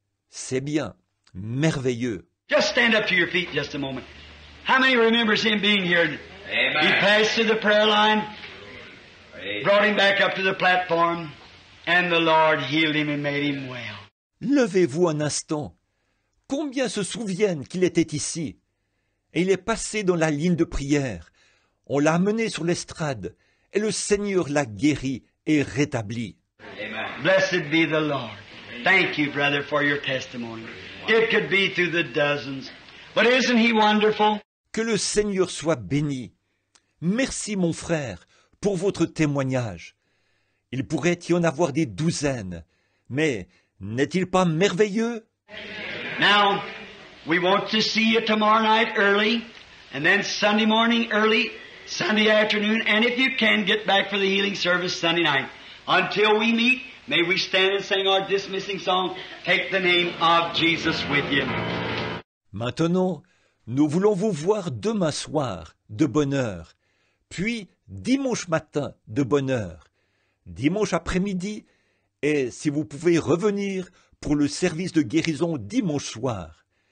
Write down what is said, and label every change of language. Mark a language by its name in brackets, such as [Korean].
[French] C'est bien, merveilleux. [English] Just stand up to your feet just a moment. How many remembers him being here? Amen. He passed through the prayer line, brought him back up to the platform, and the Lord healed him and made him well. [French] Levez-vous un instant. Combien se souviennent qu'il était ici? Et il est passé dans la ligne de prière. On l'a amené sur l'estrade. Et le Seigneur l'a guéri et rétabli. [English] Blessed be the Lord. Thank you, brother, for your testimony. It could be through the dozens. But isn't he wonderful? [French] Que le Seigneur soit béni. Merci, mon frère, pour votre témoignage. Il pourrait y en avoir des douzaines. Mais n'est-il pas merveilleux? [English] Now, we want to see you tomorrow night early, and then Sunday morning early, Sunday afternoon, and if you can, get back for the healing service Sunday night. Until we meet, may we stand and sing our dismissing song, Take the Name of Jesus with you. [French] Maintenant, nous voulons vous voir demain soir, de bonne heure, puis dimanche matin, de bonne heure, dimanche après-midi, et si vous pouvez revenir pour le service de guérison dimanche soir.